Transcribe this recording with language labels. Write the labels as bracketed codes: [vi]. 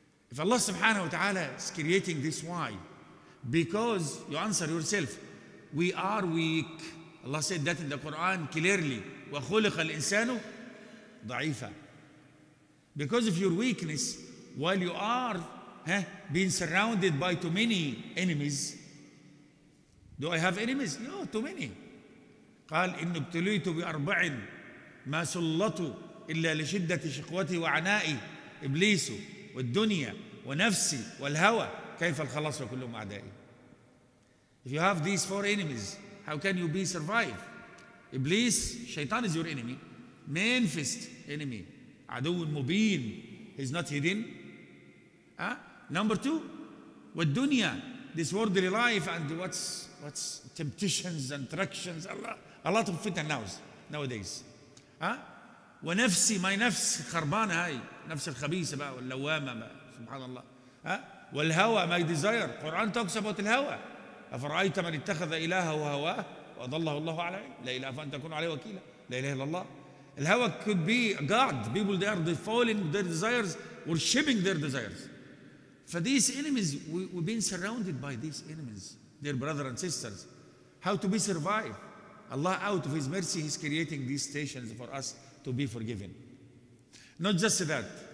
[en] If Allah subhanahu wa ta'ala is creating this, why? Because you answer yourself, we are weak. Allah said that in the Quran clearly. [ar] وَخُلِقَ الْإِنسَانُ ضَعِيفًا. [en] Because of your weakness, while you are being surrounded by too many enemies. Do I have enemies? No, too many. [ar] قال إن ابتليت بأربع ما سلطوا إلا لشدة شقوتي وعنائي إبليس والدنيا ونفسي والهوى كيف الخلاص وكلهم أعدائي. [en] If you have these four enemies, how can you be survive? إبليس, شيطان is your enemy. Manifest enemy. [ar] عدو مبين. [en] He's not hidden. Number two, والدنيا, this worldly life and what's temptations and attractions. Allah. A lot of fitna nowadays. [ar] ونفسي, [en] my nafs, [ar] خربانة هاي. نفس الخبيثة بقى واللوامة بقى. سبحان الله. والهوى, [en] my desire. Quran talks about الهوى. [ar] أفرأيت من اتخذ إله وهوى وأضله الله على عين. لا إله فأنت تكون عليه وكيلة. لا إله إلا الله. الهوى [en] could be God. People they are falling their desires, worshipping their desires. For these enemies, we've been surrounded by these enemies, their brothers and sisters. How to be survived? Allah, out of His mercy, He's creating these stations for us to be forgiven. Not just that.